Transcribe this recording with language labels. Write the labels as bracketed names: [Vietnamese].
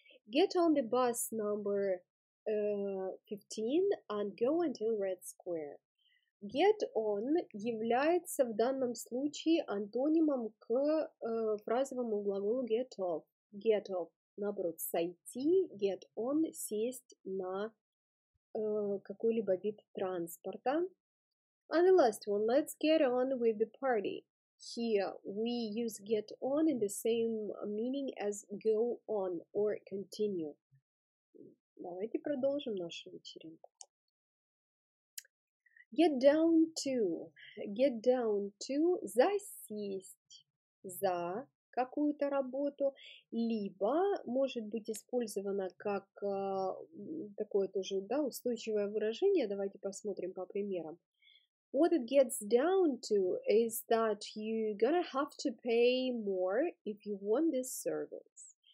[English] Get on the bus number 15 and go until Red Square. [Russian] Get on является в данном случае антонимом к фразовому глаголу get off. Get off, наоборот, сойти, get on, сесть на какой-либо вид транспорта. [English] And the last one, let's get on with the party. Here we use get on in the same meaning as go on or continue. [Russian] Давайте продолжим нашу вечеринку. [English] Get down to. Get down to. [Russian] Засесть за какую-то работу, либо может быть использовано как такое тоже, да, устойчивое выражение. Давайте посмотрим по примерам. [English] What it gets down to is that you're gonna have to pay more if you want this service.